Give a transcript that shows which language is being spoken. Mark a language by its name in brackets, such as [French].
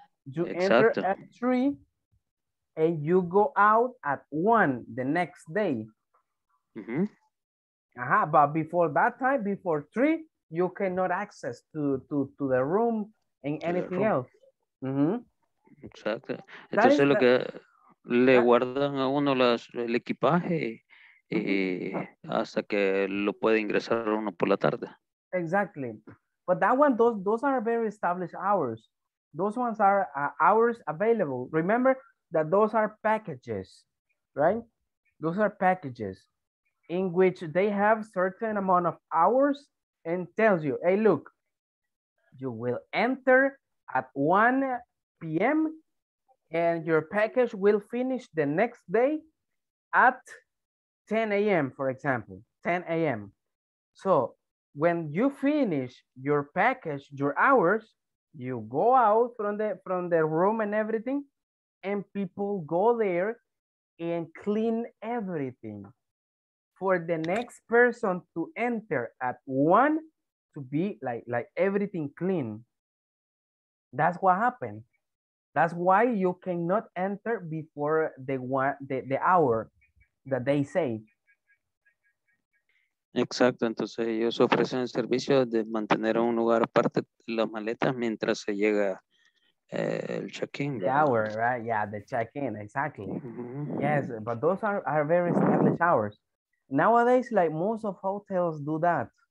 [English] You enter at 3 and you go out at 1 the next day. But before that time, before 3, you cannot access to the room and anything else. Exactly. [Spanish] Entonces lo que le guardan a uno el equipaje y hasta que lo puede ingresar uno por la tarde. [English] Exactly. But that one, those are very established hours. Those ones are hours available. Remember that those are packages, right? Those are packages in which they have certain amount of hours and tells you, hey, look, you will enter at 1 p.m. and your package will finish the next day at 10 a.m., for example, 10 a.m. So when you finish your package, your hours, you go out from the room and everything, and people go there and clean everything for the next person to enter at 1 to be like everything clean. That's what happened. That's why you cannot enter before the hour that they say. [Spanish] Exacto. Entonces ellos ofrecen el servicio de mantener un lugar aparte de las maletas mientras se llega el check-in. [English] The hour, right? Yeah, the check-in, exactly. Mm-hmm. Yes, but those are very established hours. Nowadays, like most of hotels do that.